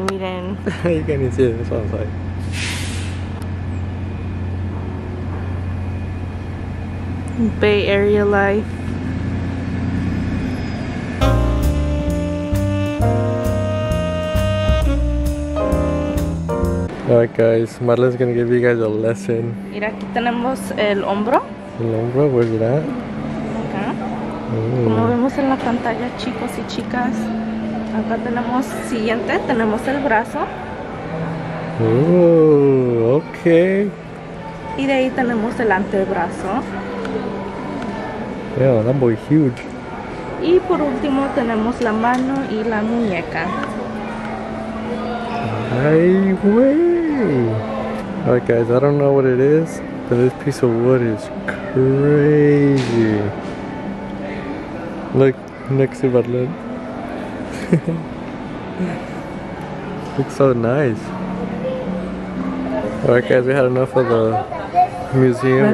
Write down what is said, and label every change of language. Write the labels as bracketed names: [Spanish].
[English] You can't even see it, that's what I was like. Bay Area life. Alright guys, Marlen's gonna give you guys a lesson. [Spanish] Mira, aquí tenemos el hombro. El hombro, [English] where's it at? [Spanish] Acá. Como vemos en la pantalla, chicos y chicas, acá tenemos siguiente, tenemos el brazo. [English] Ooh, okay. [Spanish] Y de ahí tenemos el antebrazo. [English] Yeah, that boy huge. [Spanish] Y por último tenemos la mano y la muñeca. Ay, wey. [English] All right, guys, I don't know what it is, but this piece of wood is crazy. Look next to Marlen. Looks so nice. All right, guys, we had enough of the museum.